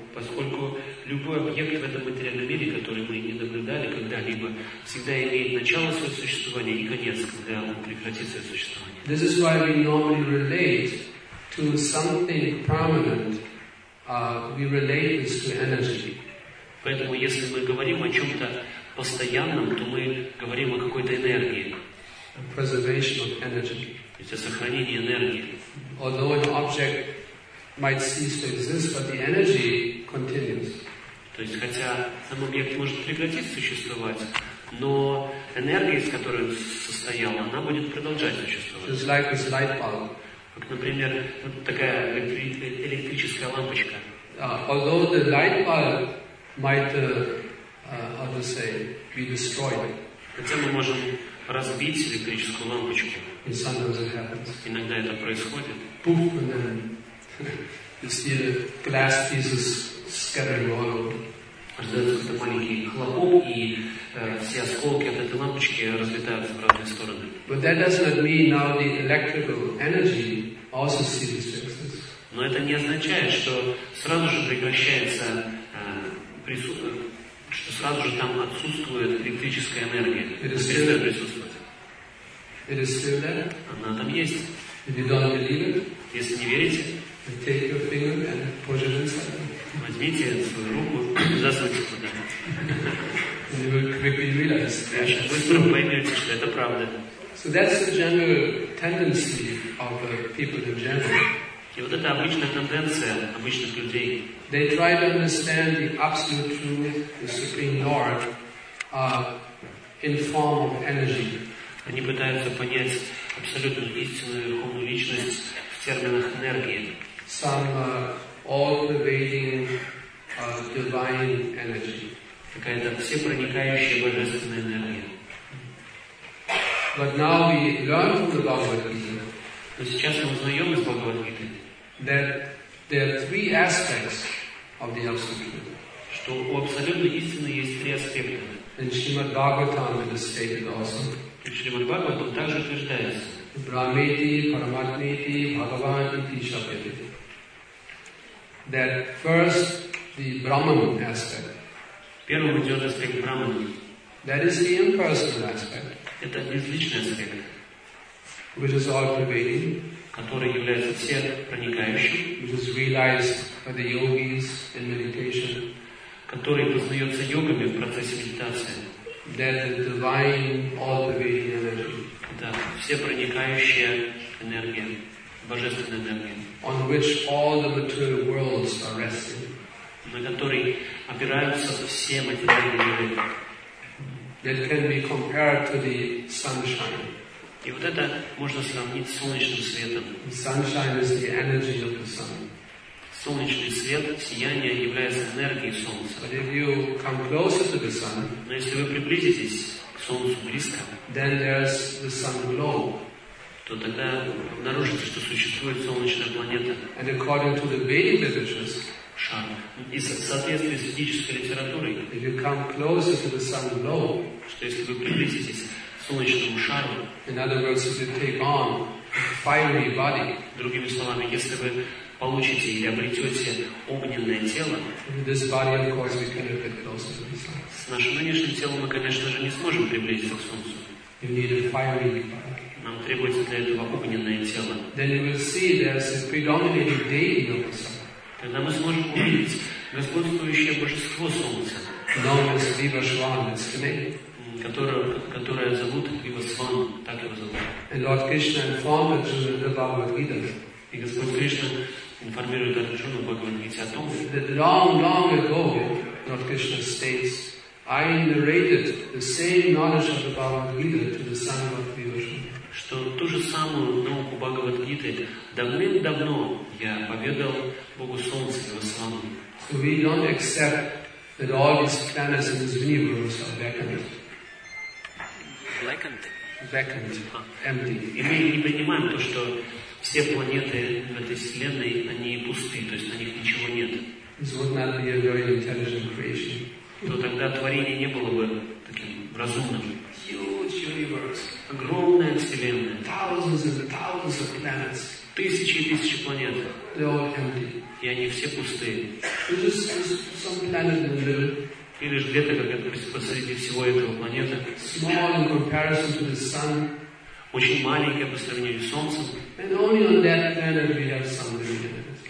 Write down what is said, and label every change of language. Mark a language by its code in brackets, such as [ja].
[ru] Поскольку любой объект в этом материальном мире, который мы не наблюдали когда-либо, всегда имеет начало своего существования и конец, когда он прекратит свое существование. [en] This is why we normally relate to something permanent. We relate this to energy. [ru] Поэтому, если мы говорим о чем-то постоянном, то мы говорим о какой-то энергии. [en] A preservation of energy. [ru] То есть о сохранении энергии. [en] Although an object might cease to exist, but the energy continues. [ru] То есть, хотя сам объект может прекратить существовать, Но энергия, из которой он состоял, она будет продолжать существовать. [en] Just like this light bulb. [ru] Как, например, вот такая электрическая лампочка. [en] Although the light bulb might, how to say, be destroyed. [ru] Хотя мы можем разбить электрическую лампочку. [en] And sometimes it happens. [ru] Иногда это происходит. [en] Poof, and then you see the glass pieces scattering all over. [ru] Это маленький хлопок, и все осколки от этой лампочки разлетаются в разные стороны. [en] But that does not mean now the electrical energy also ceases. [ru] Но это не означает, что сразу же прекращается присутствие, что сразу же там отсутствует электрическая энергия. [en] It is still there. It is still there. [ru] Она там есть. [en] If you don't believe it, [ru] если не верите, [en] then take your finger and push it inside. [ru] Возьмите свою руку и засуньте туда. [en] And you will quickly realize. [ru] И очень быстро поймете, что это правда. [en] So that's the general tendency of people in general. [ru] И вот это обычная тенденция обычных людей. [en] They try to understand the absolute truth, the supreme Lord, in form of energy. [ru] Они пытаются понять абсолютную истинную верховную личность в терминах энергии. [en] Some all-pervading divine energy. [ru] Какая-то всепроникающая божественная энергия. [en] But now we learn from the Bhagavad Gita. [ru] Но сейчас мы узнаем из Бхагавад Гиты. [en] That there are three aspects of the absolute truth. [ru] Что у абсолютной истины есть три аспекта. [en] And Shrimad Bhagavatam has stated also. [ru] И Шримад Бхагаватам также утверждается. [sa] Брахмети, Параматмети, Бхагаван и Тишапетити. [en] That first the Brahman aspect. [ru] Первым идет аспект Брахмана. [en] That is the impersonal aspect. [ru] Это безличный аспект. [en] Which is all pervading. [ru] Который является всепроникающим, [en] which is realized by the yogis in meditation, [ru] который познается йогами в процессе медитации, [en] that the divine all-pervading energy, [ru] да, всепроникающая энергия, божественная энергия, [en] on which all the material worlds are resting, [ru] на которой опираются все материальные миры, [en] that can be compared to the sunshine. [ru] И вот это можно сравнить с солнечным светом. [en] Sunshine is the energy of the sun. [ru] Солнечный свет, сияние является энергией солнца. [en] But if you come closer to the sun, [ru] но если вы приблизитесь к солнцу близко, [en] then there's the sun glow. [ru] То тогда обнаружите, что существует солнечная планета. [en] And according to the Vedic literatures, [ru] и в соответствии с ведической литературой, [en] if you come closer to the sun glow, [ru] что если вы приблизитесь солнечному шару. [en] In other words, if you take on fiery body. [ru] Другими словами, если вы получите или обретете огненное тело, [en] this body, of course, we cannot get closer to the sun. [ru] С нашим нынешним телом мы, конечно же, не сможем приблизиться к солнцу. [en] You need a fiery body. [ru] Нам требуется для этого огненное тело. [en] Then you will see there's a predominating deity of the sun. [ru] Тогда мы сможем увидеть господствующее божество солнца. [en] Known as Vivashvan, its name. [ru] Которая зовут Вивасван, так его зовут. [en] And Lord Krishna informed Arjuna the Bhagavad Gita. [ru] И Господь Кришна информирует Арджуну в Бхагавад Гите о том, [en] that long, long ago, Lord Krishna states, I narrated the same knowledge of the Bhagavad Gita to the son of Vivasvan. [ru] Что ту же самую науку Бхагавад Гиты давным-давно я поведал Богу Солнцу Вивасвану. [en] So we don't accept that all these planets in this universe are vacant. Vacant. Empty. [ru] И мы не понимаем то, что все планеты в этой вселенной, они пусты, то есть на них ничего нет. [en] This would not be a very intelligent creation. [ru] То тогда творение не было бы таким разумным. [en] Huge universe. [ru] Огромная вселенная. [en] Thousands and thousands of planets. [ru] Тысячи и тысячи планет. [en] They are empty. [ru] И они все пустые. [en] Just some planet in the middle. [ru] И лишь где-то, как это посреди всего этого планеты. [en] Small in comparison to the sun. [ru] Очень маленькая по сравнению с Солнцем. [en] And only on that planet we have some living things.